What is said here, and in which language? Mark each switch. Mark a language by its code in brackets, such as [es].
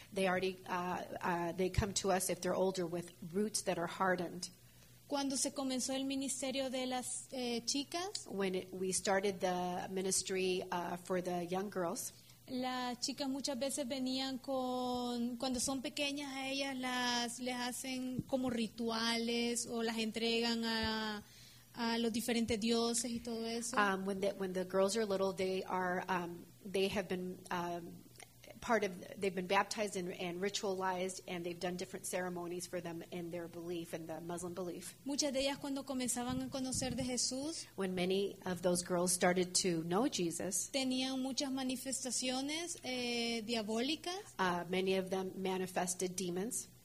[en] They already they come to us if they're older with roots that are hardened. [es] Cuando se comenzó el ministerio de las chicas. [en] When we started the ministry for the young girls. [es] Las chicas muchas veces venían con, cuando son pequeñas a ellas las les hacen como rituales o las entregan a los diferentes dioses y todo eso. [en] When the girls are little, they are they have been part of, they've been baptized and ritualized, and they've done different ceremonies for them in their belief, in the Muslim belief. [es] Muchas de ellas cuando comenzaban a conocer de Jesús, [en] when many of those girls started to know Jesus, [es] tenían muchas manifestaciones diabólicas. [en] Many of them manifested demons.